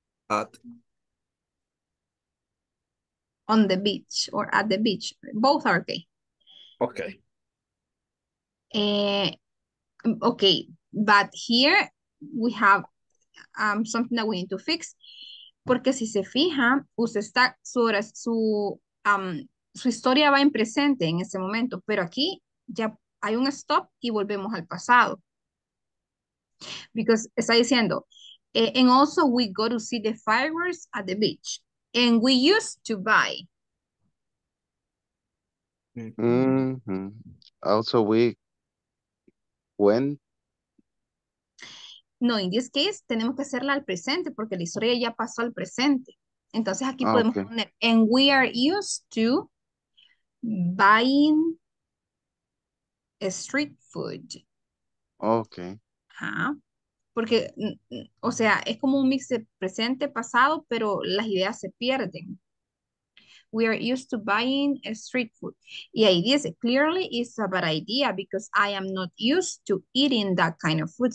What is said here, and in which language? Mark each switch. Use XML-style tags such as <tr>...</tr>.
<en>On the beach or at the beach. Both are okay. Okay. Okay, but here we have something that we need to fix.</en> <es>Porque si se fija, usted está sobre su historia va en presente en ese momento. Pero aquí ya hay un stop y volvemos al pasado.</es> <en>Because</en> <es>está diciendo,</es> <en>and also we go to see the fireworks at the beach. And we used to buy. Mm-hmm. Also, we went. No, in this case,</en> <es>tenemos que hacerla al presente porque la historia ya pasó al presente. Entonces aquí podemos poner,</es> <en>and we are used to buying street food. Okay. Uh-huh.</en> <es>Porque, o sea, es como un mix de presente, pasado, pero las ideas se pierden.</es> <en>We are used to buying street food.</en> <es>Y ahí dice,</es> <en>clearly it's a bad idea because I am not used to eating that kind of food.</en>